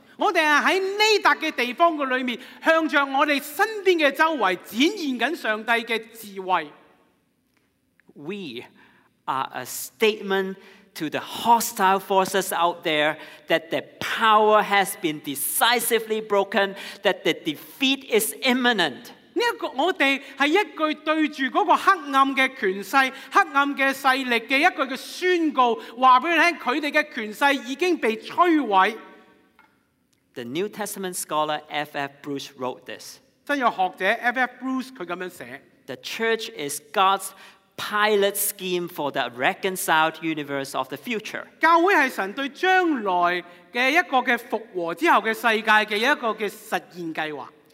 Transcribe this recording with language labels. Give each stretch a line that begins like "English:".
Chinese: 我们是在尼达的地方里面，向着我们身边的周围展现上帝的智慧。
English: We are a statement to the hostile forces out there that the power has been decisively broken, that the defeat is imminent.
Chinese: 我们是一句对着那个黑暗的权势、黑暗的势力的一句的宣告，告诉他们他们的权势已经被摧毁。
English: The New Testament scholar F.F. Bruce wrote this.
Chinese: 真有学者 F.F. Bruce 他这样写。
English: The church is God'spilot scheme for the reconciled universe of the future.
Chinese: 教会是神对将来的一个的复活之后的世界的一个的实验计划。